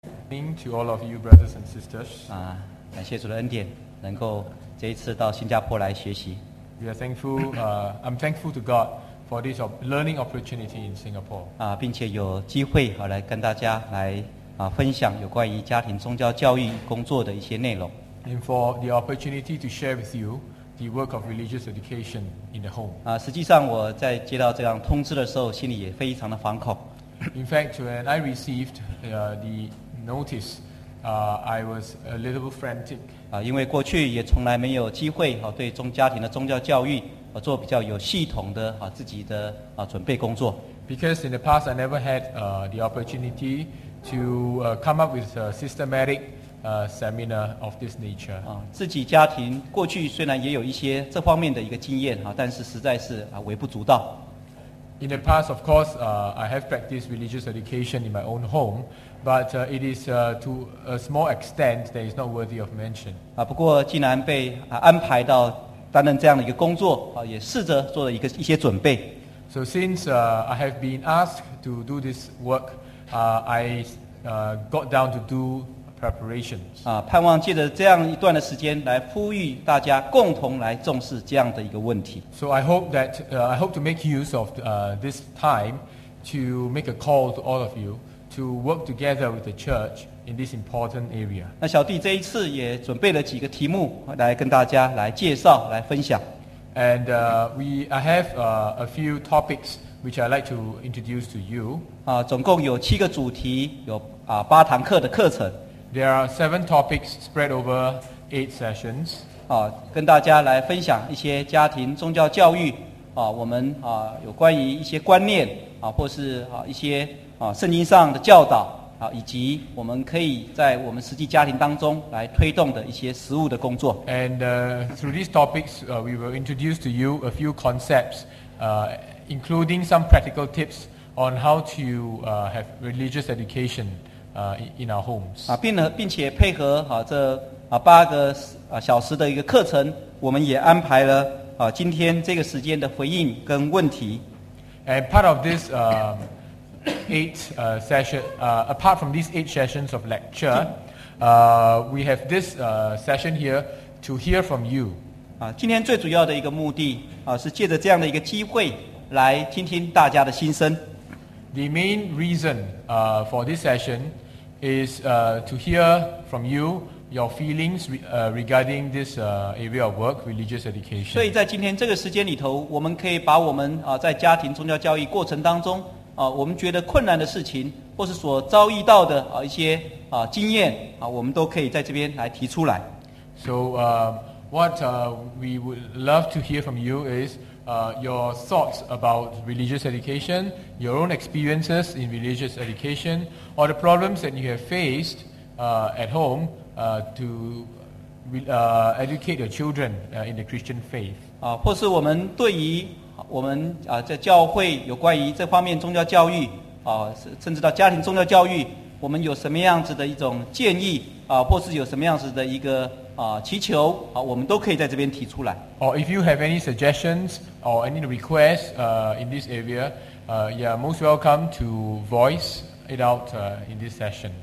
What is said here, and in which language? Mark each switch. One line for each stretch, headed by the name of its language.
English: morning to all of you, brothers and sisters.
Chinese: 啊，感谢主的恩典，能够这一次到新加坡来学习。
English: We are thankful. I'm thankful to God for this learning opportunity in Singapore.
Chinese: 啊，并且有机会好来跟大家来啊分享有关于家庭宗教教育工作的一些内容。
English: And for the opportunity to share with you the work of religious education in the home.
Chinese: 啊，实际上我在接到这样通知的时候，心里也非常的惶恐。
English: In fact, when I received the notice, I was a little bit frantic.
Chinese: 啊，因为过去也从来没有机会啊，对中家庭的宗教教育啊，做比较有系统的啊自己的啊准备工作。
English: Because in the past, I never had the opportunity to come up with a systematic seminar of this nature.
Chinese: 啊，自己家庭过去虽然也有一些这方面的一个经验啊，但是实在是啊微不足道。
English: In the past, of course, I have practiced religious education in my own home, but it is to a small extent that is not worthy of mention.
Chinese: 啊，不过既然被安排到担任这样的一个工作，啊，也试着做了一些准备。
English: So since I have been asked to do this work, I got down to do preparations.
Chinese: 啊，盼望借着这样一段的时间来呼吁大家共同来重视这样的一个问题。
English: So I hope that I hope to make use of this time to make a call to all of you to work together with the church in this important area.
Chinese: 那小弟这一次也准备了几个题目来跟大家来介绍来分享。
English: And I have a few topics which I'd like to introduce to you.
Chinese: 啊，总共有七个主题，有啊八堂课的课程。
English: There are seven topics spread over eight sessions.
Chinese: 啊，跟大家来分享一些家庭宗教教育啊，我们啊有关于一些观念啊，或是啊一些啊圣经上的教导啊，以及我们可以在我们实际家庭当中来推动的一些实务的工作。
English: And through these topics, we will introduce to you a few concepts, including some practical tips on how to have religious education. In our homes.
Chinese: 啊，并且配合啊这啊八个啊小时的一个课程，我们也安排了啊今天这个时间的回应跟问题。
English: And part of this eight session, apart from these eight sessions of lecture, we have this session here to hear from you.
Chinese: 啊，今天最主要的一个目的啊，是借着这样的一个机会来听听大家的心声。
English: The main reason for this session is to hear from you your feelings regarding this area of work, religious education.
Chinese: 所以在今天这个时间里头，我们可以把我们在家庭宗教教育过程当中我们觉得困难的事情，或是所遭遇到的一些经验我们都可以在这边来提出来。
English: So what we would love to hear from you is your thoughts about religious education, your own experiences in religious education, or the problems that you have faced at home to educate your children in the Christian faith.
Chinese: 啊，或是我们对于我们啊在教会有关于这方面宗教教育啊，甚至到家庭宗教教育，我们有什么样子的一种建议啊，或是有什么样子的一个。祈求我们都可以在这边提出来。
English: Or if you have any suggestions or any requests in this area, you are most welcome to voice it out in this session.